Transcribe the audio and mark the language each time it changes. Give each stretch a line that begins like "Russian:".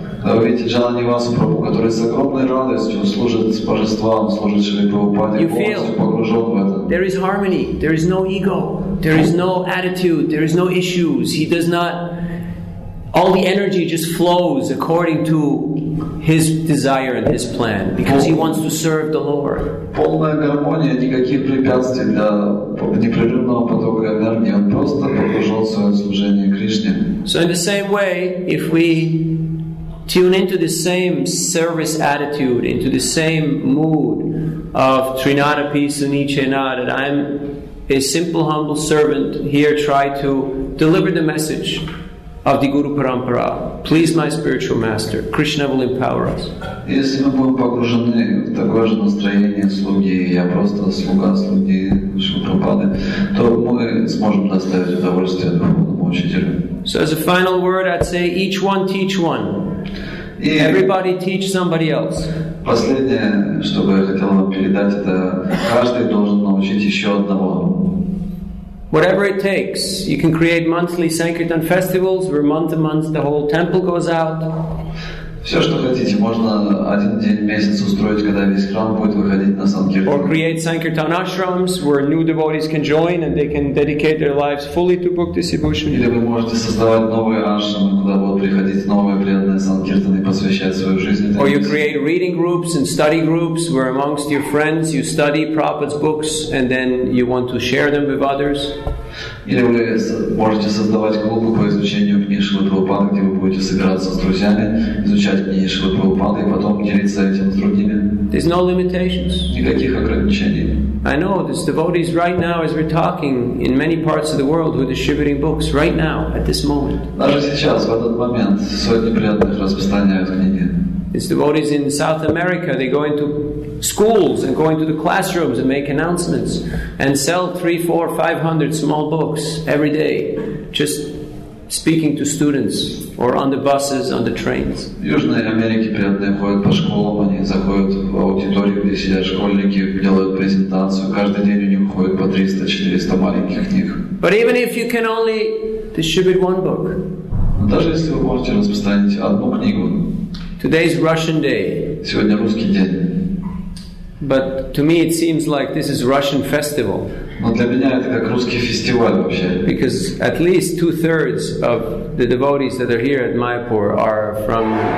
English: You feel there is harmony, there is no ego, there is no attitude, there is no issues. He does not, all the energy just flows according to his desire and his plan because he wants to serve the Lord.
Russian: Полная гармония, никаких препятствий для непрерывного потока энергии. Он просто погружен в свое служение Кришне.
English: So in the same way, if we tune into the same service attitude, into the same mood of Trinada Pisunichena, that I'm a simple, humble servant here, try to deliver the message of the Guru Parampara. Please, my spiritual master, Krishna will empower us.
Russian: Если мы будем погружены в такое же настроение слуги, я просто слуга слуги Шукрапады, то мы сможем доставить удовольствие другому учителю.
English: So as a final word, I'd say, each one teach one. Everybody teach somebody else.
Russian: Последнее, что бы я хотел вам передать, это каждый должен научить еще одного.
English: Whatever it takes, you can create monthly sankirtan festivals where month to month the whole temple goes out.
Russian: Все, что хотите, можно один день в месяц устроить, когда весь храм будет выходить на санкиртан.
English: Or create sankirtan ashrams where new devotees can join and they can dedicate their lives fully to book distribution.
Russian: Или вы можете создавать новые ашрамы, куда будут приходить новые преданные санкиртаны и посвящать свою жизнь.
English: Or you create reading groups and study groups where amongst your friends you study Prabhupada's books and then you want to share them with others.
Russian: Или вы можете создавать клубы по изучению книг Шрилы Прабхупады, где вы будете собираться с друзьями, изучать книги Шрилы Прабхупады и потом делиться этим с другими.
English: There's no limitations.
Russian: Никаких ограничений.
English: I know there's devotees right now as we're talking in many parts of the world who are distributing books right now at this moment.
Russian: Даже сейчас, в этот момент, сотни преданных распространяют книги.
English: It's devotees in South America, they go into schools and go into the classrooms and make announcements and sell 300, 400, 500 small books every day, just speaking to students or on the buses, on the trains.
Russian: В Южной Америке преданные ходят по школам, они заходят в аудиторию, где сидят школьники, делают презентацию. Каждый день у них ходят по 300-400 маленьких книг.
English: But even if you can only distribute one book.
Russian: Даже если вы можете распространить одну книгу.
English: Today is Russian Day.
Russian: Сегодня русский день.
English: But to me it seems like this is Russian festival.
Russian: Но для меня это как русский фестиваль вообще.
English: Because at least 2/3 of the devotees that are here at Mayapur are from